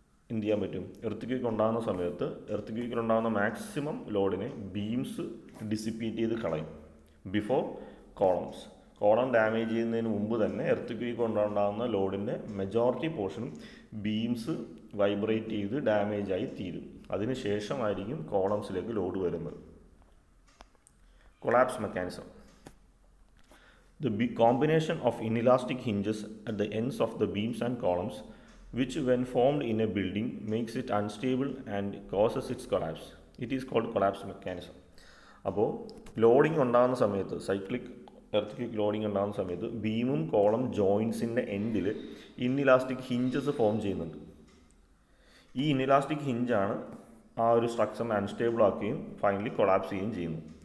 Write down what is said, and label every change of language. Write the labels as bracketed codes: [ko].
[ml] എന്ത് ചെയ്യാൻ പറ്റും, എർത്ത്ക്വേക്ക് ഉണ്ടാകുന്ന സമയത്ത് എർത്ത്ക്വേക്കിൽ ഉണ്ടാകുന്ന മാക്സിമം ലോഡിനെ ബീംസ് ഡിസിപ്പേറ്റ് ചെയ്ത് കളയും [en] Before columns. [ml] കോളം ഡാമേജ് ചെയ്യുന്നതിന് മുമ്പ് തന്നെ എർത്ത്ക്വേക്ക് ഉണ്ടാകുന്ന ലോഡിൻ്റെ മെജോറിറ്റി പോർഷൻ ബീംസ് വൈബ്രേറ്റ് ചെയ്ത് ഡാമേജ് ആയി തീരും. അതിന് ശേഷമായിരിക്കും കോളംസിലേക്ക് ലോഡ് വരുന്നത്. Collapse mechanism. [en] The combination of inelastic hinges at the ends of the beams and columns, which when formed in a building makes it unstable and causes its collapse, it is called collapse mechanism. [ml] അപ്പോൾ loading ഉണ്ടാകുന്ന സമയത്ത്, cyclic earthquake loading ഉണ്ടാകുന്ന സമയത്ത് ബീമും column ജോയിൻസിൻ്റെ എൻഡിൽ inelastic hinges form ചെയ്യുന്നുണ്ട്. ഈ inelastic ഹിഞ്ചാണ് ആ ഒരു സ്ട്രക്ചർ അൺസ്റ്റേബിൾ ആക്കുകയും ഫൈനലി കൊളാപ്സ് ചെയ്യുകയും ചെയ്യുന്നു.